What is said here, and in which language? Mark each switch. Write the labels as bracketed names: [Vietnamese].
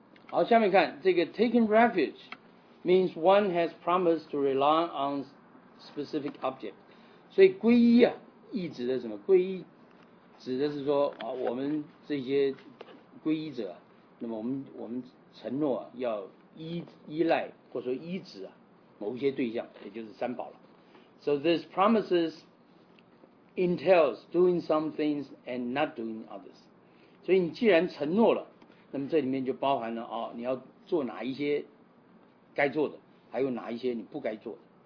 [Chinese] 好，下面看这个 [English] taking refuge means one has promised to rely on specific object. [Chinese] 所以皈依啊，意指的什么？皈依指的是说啊，我们这些皈依者，那么我们承诺、啊、要依赖或者说依止啊某一些对象，也就是三宝了。 [English] So this promises entails doing some things and not doing others. [Chinese] 所以你既然承诺了。那么这里面就包含了、哦、你要做哪一些该做的，还有哪一些你不该做的。